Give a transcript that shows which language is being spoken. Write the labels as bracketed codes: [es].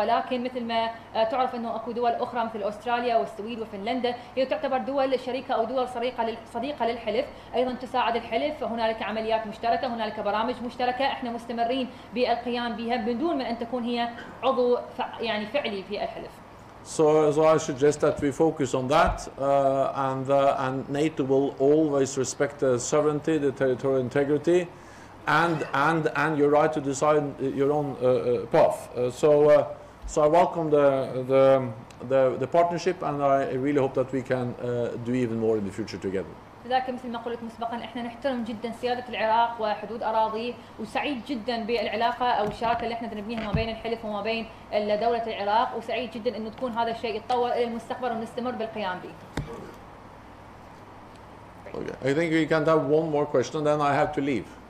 [ar] لكن مثل ما تعرف إنه أكو دول أخرى مثل أستراليا والسويد وفنلندا هي تعتبر دول شريكة أو دول صديقة للحلف، أيضا تساعد الحلف، هنالك عمليات مشتركة، هنالك برامج مشتركة إحنا مستمرين بالقيام بها بدون من أن تكون هي عضو يعني فعلي في الحلف. [en] So I suggest that we focus on that, and NATO will always respect the sovereignty, the territorial integrity, and your right to decide your own path. So I welcome the partnership, and I really hope that we can do even more in the future together. [ar] لكن مثل ما قلت مسبقا احنا نحترم جدا سياده العراق وحدود اراضيه وسعيد جدا بالعلاقه او الشراكه اللي احنا بنبنيها ما بين الحلف وما بين دوله العراق وسعيد جدا انه تكون هذا الشيء يتطور الى المستقبل ونستمر بالقيام به. [en] Okay. I think we can have one more question and then I have to leave.